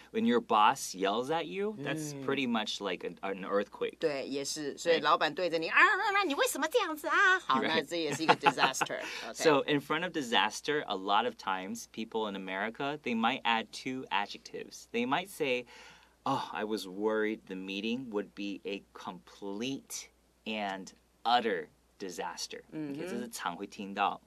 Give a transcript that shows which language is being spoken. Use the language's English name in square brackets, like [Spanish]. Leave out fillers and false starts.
[English] When your boss yells at you, that's pretty much like an earthquake. [Chinese] 对，也是。所以老板对着你，你为什么这样子啊？好，那这也是一个 disaster. [English] So in front of disaster, a lot of times people in America, they might add two adjectives. They might say,I was worried the meeting would be a complete and utter disaster. [Chinese] Okay, 这是常会听到。